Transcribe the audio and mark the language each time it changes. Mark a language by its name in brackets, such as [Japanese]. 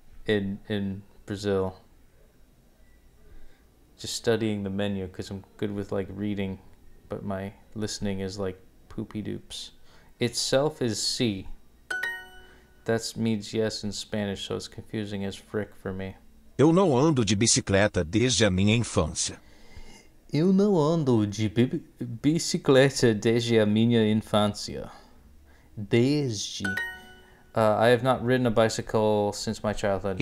[English] In Brazil. Just studying the menu because I'm good with like reading. But my listening is like poopy dupes. Itself is C. That means yes in Spanish, so it's confusing as frick for me. [Portuguese] Eu não ando de bicicleta desde a minha infância. Eu não ando de bicicleta desde a minha infância. Desde. [English] I have not ridden a bicycle since my childhood.